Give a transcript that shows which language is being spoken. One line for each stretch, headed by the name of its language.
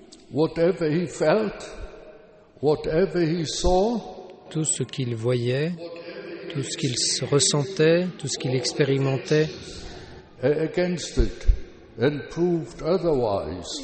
English: Whatever he felt, whatever he saw,
French: tout ce qu'il voyait, tout ce qu'il ressentait, tout ce qu'il expérimentait,
English: against it and proved otherwise.